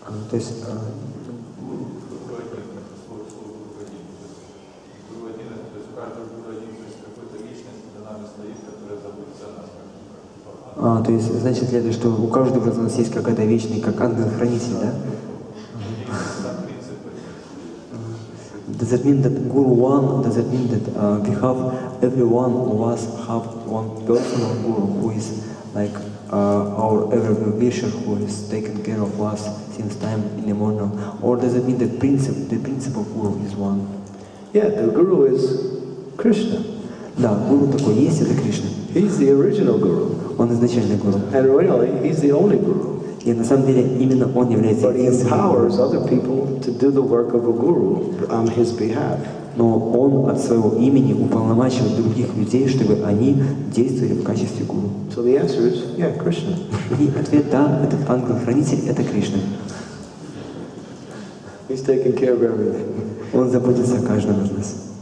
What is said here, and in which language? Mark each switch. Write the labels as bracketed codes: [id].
[ru] То есть, то есть, значит ли это, что у каждого из нас есть какая-то вечная, как ангел-хранитель, да? [en] Does it mean that Guru one? Does it mean that we have every one of us have one personal Guru who is like our every wisher who is taking care of us since time immemorial? Or does it mean that the principle Guru is one? Yeah, the Guru is Krishna. [ru] Да, Guru такой есть, это Кришна. [en] He's the original Guru. [ru] Он изначальный Guru. [en] And really, he's the only Guru. [ru] И на самом деле именно он является единственным. [en] But he empowers other people to do the work of a Guru on his behalf. [ru] Но он от своего имени уполномачивает других людей, чтобы они действовали в качестве Гуру. [en] So the answer is, yeah, Krishna. [ru] И ответ: да, этот ангел-хранитель — это Кришна. [en] He's taking care of everything. [ru] Он заботится о каждом из нас.